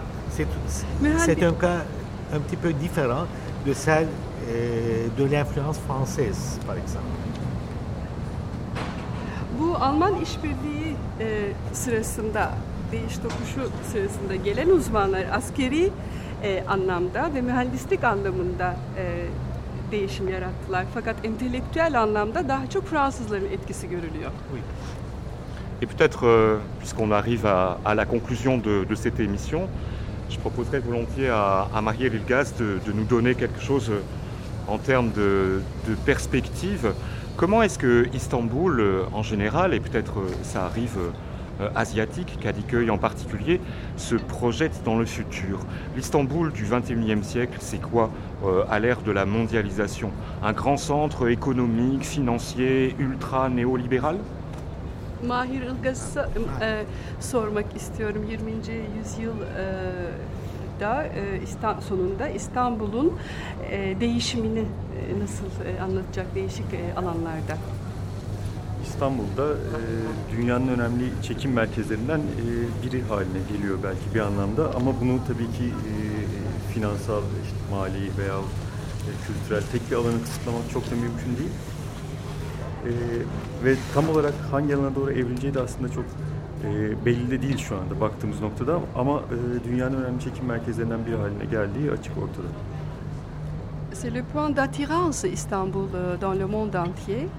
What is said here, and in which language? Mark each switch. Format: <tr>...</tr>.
<fr>C'est un cas un petit peu différent de celle de l'influence française, par exemple.</fr> <tr>Bu Alman işbirliği sırasında, değiş tokuşu sırasında gelen uzmanlar askeri anlamda ve mühendislik anlamında değişim yarattılar. Fakat entelektüel anlamda daha çok Fransızların etkisi görülüyor.</tr> <fr>Et peut-être puisqu'on arrive à la conclusion de cette émission, je proposerais volontiers à Marie Rilgaz de nous donner quelque chose en termes de perspective. Comment est-ce que Istanbul en général, et peut-être ça arrive asiatique, Kadıköy en particulier, se projette dans le futur. L'Istanbul du XXIe siècle, c'est quoi à l'ère de la mondialisation? Un grand centre économique, financier, ultra-néolibéral?</fr> <tr>Mahir Ilgaz'a sormak istiyorum. 20. yüzyılda sonunda İstanbul'un değişimini nasıl anlatacak değişik alanlarda? İstanbul'da dünyanın önemli çekim merkezlerinden biri haline geliyor belki bir anlamda. Ama bunu tabii ki finansal, işte, mali veya kültürel tek bir alanı kısıtlamak çok da mümkün değil. Ve tam olarak hangi alana doğru evrileceği de aslında çok belli de değil şu anda baktığımız noktada. Ama dünyanın önemli çekim merkezlerinden biri haline geldiği açık ortada.</tr> <fr>C'est le point d'attirance Istanbul dans le monde entier.</fr>